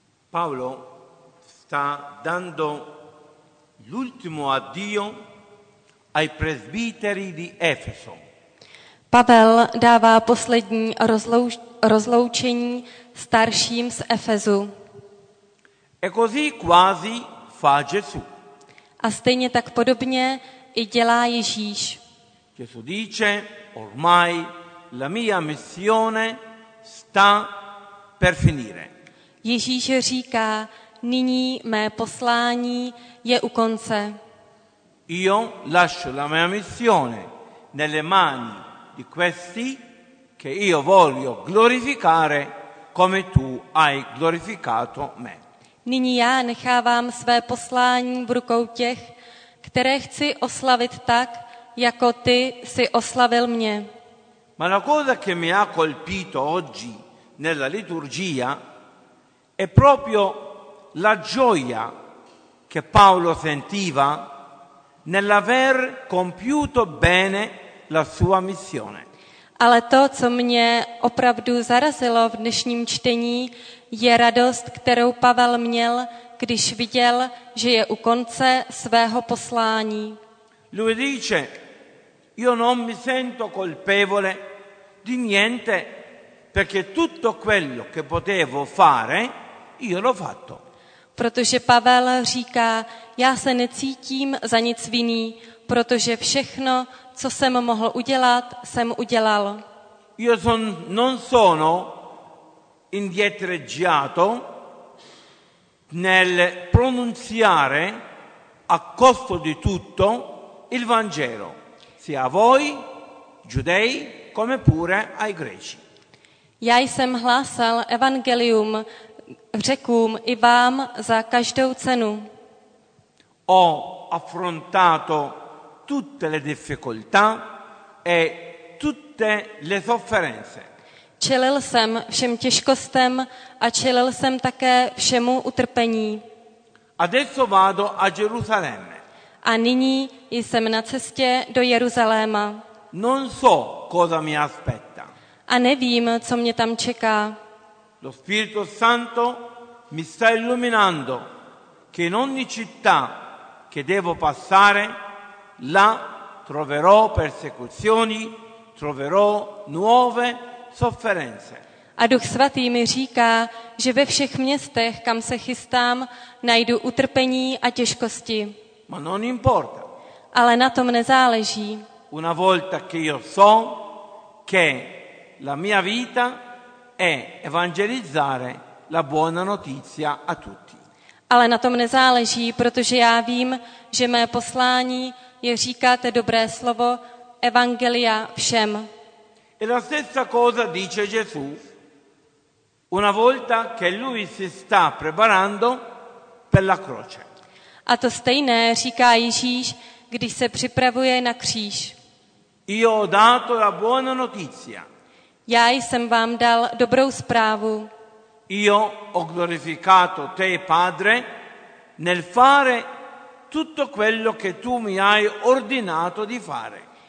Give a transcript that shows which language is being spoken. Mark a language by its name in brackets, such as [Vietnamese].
[Italian] Paolo sta dando l'ultimo addio ai presbiteri di Efeso. [Czech] Pavel dává poslední rozloučení starším z Efezu. [Italian] E così quasi fa Gesù. [Czech] A stejně tak podobně i dělá Ježíš. [Italian] Gesù dice, ormai la mia missione sta per finire. [Czech] Ježíš říká, nyní mé poslání je u konce. [Italian] Io lascio la mia missione nelle mani di questi che io voglio glorificare come tu hai glorificato me. [Czech] Nyní já nechávám své poslání v rukou těch, které chci oslavit tak, jako ty jsi oslavil mě. [Italian] Ma la cosa che mi ha colpito oggi nella liturgia è proprio la gioia che Paolo sentiva nell'aver compiuto bene la sua missione. [Czech] Ale to, co mě opravdu zarazilo v dnešním čtení, je radost, kterou Pavel měl, když viděl, že je u konce svého poslání. [Italian] Lui dice, io non mi sento colpevole di niente, perché tutto quello che potevo fare, io l'ho fatto. [Czech] Protože Pavel říká, já se necítím za nic vinný, protože všechno, co jsem mohl udělat, jsem udělal. [Italian] Io son, non sono indietreggiato nel pronunciare a costo di tutto il Vangelo, sia a voi, giudei, come pure ai greci. [Czech] Já jsem hlásal evangelium řekům i vám za každou cenu. [Italian] Ho affrontato tutte le difficoltà e tutte le sofferenze. [Czech] Čelil jsem všem těžkostem a čelil jsem také všemu utrpení. [Italian] Adesso vado a Gerusalemme. [Czech] A nyní jsem na cestě do Jeruzaléma. [Italian] Non so cosa mi aspetta. [Czech] A nevím, co mě tam čeká. [Italian] Lo Spirito Santo mi sta illuminando che in ogni città che devo passare là troverò persecuzioni, troverò nuove sofferenze. [Czech] A Duch Svatý mi říká, že ve všech městech, kam se chystám, najdu utrpení a těžkosti. [Italian] Ma non importa. [Czech] Ale na tom nezáleží. [Italian] Una volta che io so che la mia vita è evangelizzare la buona notizia a tutti. [Czech] Ale na tom nezáleží, protože já vím, že mé poslání je říkat dobré slovo evangelia všem. [Italian] E la stessa cosa dice Gesù una volta che lui si sta preparando per la croce. [Czech] A to stejné říká Ježíš, když se připravuje na kříž. [Italian] Io ho dato la buona notizia. [Czech] Já jsem vám dal dobrou zprávu. [Italian] Io ho glorificato te, Padre, nel fare tutto quello che tu mi hai ordinato di fare.